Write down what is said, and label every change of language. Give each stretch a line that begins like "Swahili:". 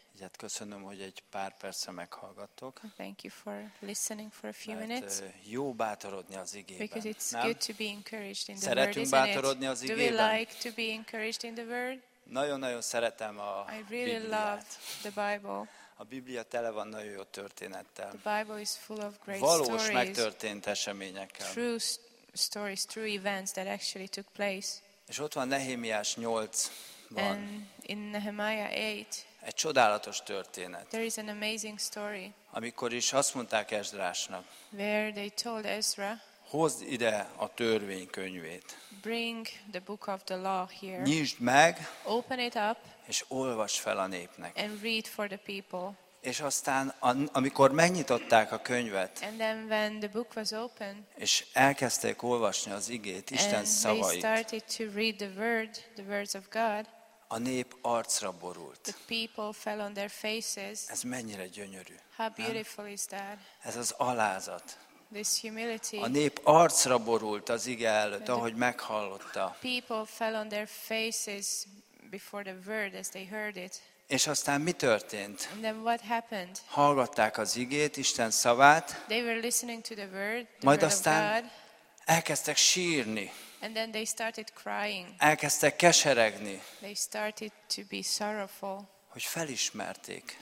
Hungarian: Ezért köszönöm, hogy egy pár percre meghallgattok.
English: Thank you for listening for a few minutes.
Hungarian: Jó bátorodni az igében.
English: Because it's
Hungarian: nem?
English: good to be encouraged in the
Hungarian: Szeretünk
English: word, isn't
Hungarian: bátorodni
English: it?
Hungarian: Az igében.
English: Do we like to be encouraged in the word?
Hungarian: Nagyon-nagyon szeretem a
English: I really love the Bible.
Hungarian: A Biblia tele van nagyon jó történettel.
English: The Bible is full of great
Hungarian: Valós
English: stories.
Hungarian: Valós megtörtént eseményekkel.
English: True stories, true events that actually took place.
Hungarian: És ott van Nehémiás 8-ban.
English: And in Nehemiah 8.
Hungarian: Egy csodálatos történet.
English: There is an amazing story.
Hungarian: Amikor is azt mondták Ezrásnak.
English: Where they told Ezra.
Hungarian: Hozd ide a törvénykönyvét.
English: Bring the book of the law here.
Hungarian: Nyisd meg.
English: Open it up.
Hungarian: És olvasd fel a népnek.
English: And read for the people.
Hungarian: És aztán, amikor megnyitották a könyvet,
English: and then when the book was open,
Hungarian: és elkezdték olvasni az igét, Isten
English: and
Hungarian: szavait,
English: they started to read the word, the words of God,
Hungarian: a nép arcra borult.
English: The people fell on their faces.
Hungarian: Ez mennyire gyönyörű.
English: How beautiful is that?
Hungarian: Ez az alázat.
English: This humility.
Hungarian: A nép arcra borult az ige előtt, ahogy meghallotta.
English: People fell on their faces before the word as they heard it.
Hungarian: És aztán mi történt?
English: And then what happened?
Hungarian: Hallgatták az igét, Isten szavát.
English: They were listening to the word, the
Hungarian: majd
English: word
Hungarian: aztán
English: of God.
Hungarian: Elkezdtek sírni.
English: And then they started crying.
Hungarian: Elkezdtek keseregni.
English: They started to be sorrowful.
Hungarian: Hogy felismerték.